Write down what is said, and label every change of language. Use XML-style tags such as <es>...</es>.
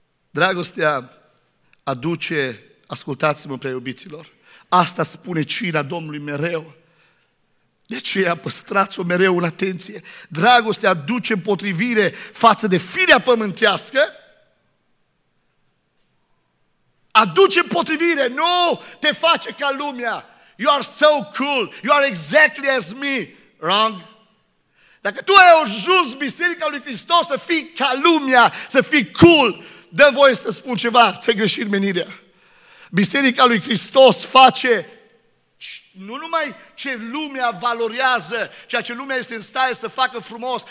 <ro>Dragostea aduce, ascultați-mă prea iubiților, asta spune cina Domnului mereu, de aceea păstrați-o mereu în atenție. Dragostea aduce împotrivire față de firea pământească, aduce împotrivire, nu te face ca lumea.</ro> <en>You are so cool, you are exactly as me, wrong.</en> <ro>Dacă tu ai ajuns Biserica lui Hristos să fii ca lumea, să fii cool, dă-mi voie să spun ceva, ți-ai greșit menirea. Biserica lui Hristos face nu numai ce lumea valorează, ceea ce lumea este în stare să facă frumos.</ro>